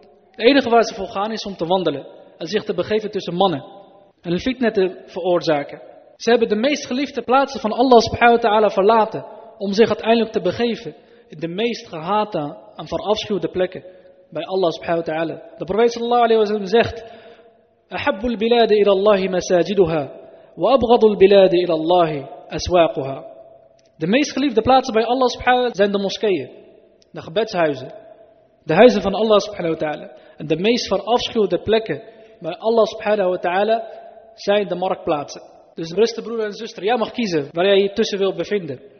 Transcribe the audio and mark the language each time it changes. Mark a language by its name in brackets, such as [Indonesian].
[Dutch] Het enige waar ze voor gaan is om te wandelen en zich te begeven tussen mannen en een fitne te veroorzaken. Ze hebben de meest geliefde plaatsen van Allah subhanahu wa ta'ala verlaten om zich uiteindelijk te begeven in de meest gehate en verafschuwde plekken bij Allah subhanahu wa ta'ala. De profeet sallallahu alayhi wa sallam zegt: [Arabic] أحب البلاد إلى الله مساجدها وأبغض البلاد إلى الله أسواقها. [Dutch] De meest geliefde plaatsen bij Allah subhanahu wa ta'ala zijn de moskeeën, de gebedshuizen, de huizen van Allah subhanahu wa ta'ala. En de meest verafschuwde plekken bij Allah subhanahu wa ta'ala zijn de marktplaatsen. Dus beste broeder en zuster, jij mag kiezen waar jij je tussen wilt bevinden.